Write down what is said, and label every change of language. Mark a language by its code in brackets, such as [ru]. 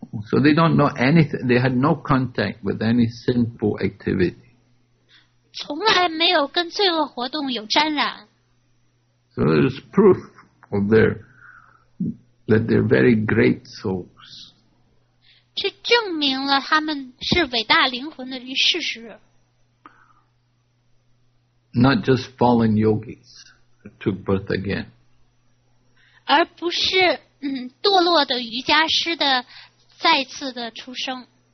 [en] So they don't know anything, they had no contact with any sinful activity. [zh] 从来没有跟罪恶活动有沾染。 [en] So there's proof of that they're very great souls. [zh] 是证明了他们是伟大灵魂的一事实。 [en] Not just fallen yogis took birth again. [zh] 而不是堕落的瑜伽师的再次的出生。